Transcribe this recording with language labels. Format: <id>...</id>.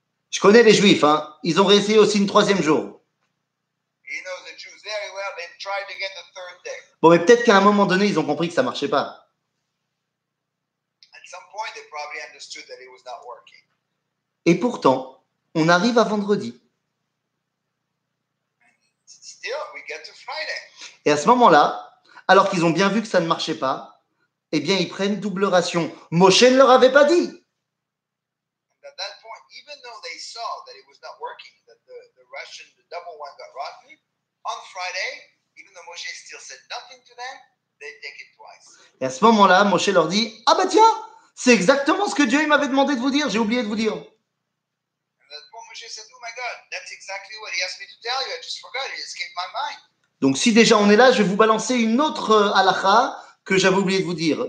<fr>Je connais les Juifs, hein. Ils ont réessayé aussi une troisième jour.</fr> <en>You know, the Jews very well. They tried again the third day.</en> <fr>Bon, mais peut-être qu'à un moment donné, ils ont compris que ça marchait pas.</fr> <en>At some point, they probably understood that it was not working.</en> <fr>Et pourtant, on arrive à vendredi.</fr> <en>Still, we get to Friday.</en> <fr>Et à ce moment-là, alors qu'ils ont bien vu que ça ne marchait pas, eh bien, ils prennent double ration. Moshe ne leur avait pas dit. Point, working, the Russian, the rotten, on Friday,</fr> <en>Friday, even though Moshe still said nothing to them, they take it twice.</en> <fr>Et à ce moment-là, Moshe leur dit, « Ah bah tiens, c'est exactement ce que Dieu m'avait demandé de vous dire, j'ai oublié de vous dire. » Donc si déjà on est là, je vais vous balancer une autre halakha que j'avais oublié de vous dire.</fr>